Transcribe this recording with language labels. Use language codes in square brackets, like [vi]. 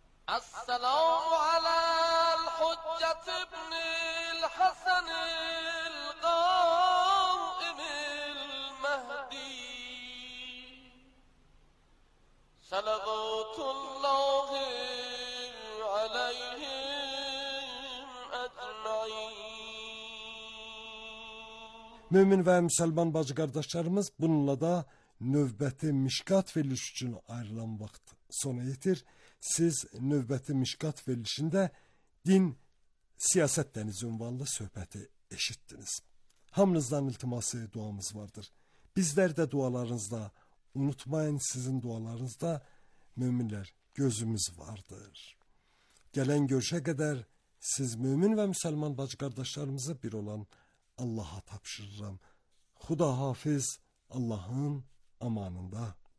[ar] السلام على الحجة ابن الحسن القائم المهدي صلوات الله عليهم أجمعين [az] مؤمن ve Müslüman bacı kardeşlerimiz bununla da növbəti Mişkat verilişi üçün ayrılan vaxt sona yetir. Siz növbəti Mişkat verilişində din siyasət dəniz ünvanlı söhbəti eşitdiniz. Hamınızdan iltiması duamız vardır. Bizlər də dualarınızda, unutmayın sizin dualarınızda möminlər gözümüz vardır. Gələn görüşə qədər siz mümin və müsəlman bacı qardaşlarımızı bir olan Allaha tapşırıram. Xuda hafiz Allahın amanında.